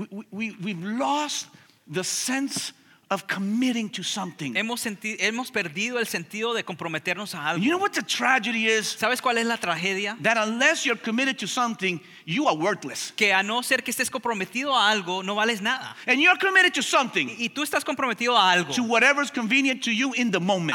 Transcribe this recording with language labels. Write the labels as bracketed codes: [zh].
[en] We've lost the sense of committing to something. [es] Hemos perdido el sentido de comprometernos a algo. [en] You know what the tragedy is? [es] ¿Sabes cuál es la tragedia? [en] That unless you're committed to something, you are worthless. [es] Que a no ser que estés comprometido a algo, no vales nada. [en] And you're committed to something. [es] Y tú estás comprometido a algo. [en] To whatever's convenient to you in the moment.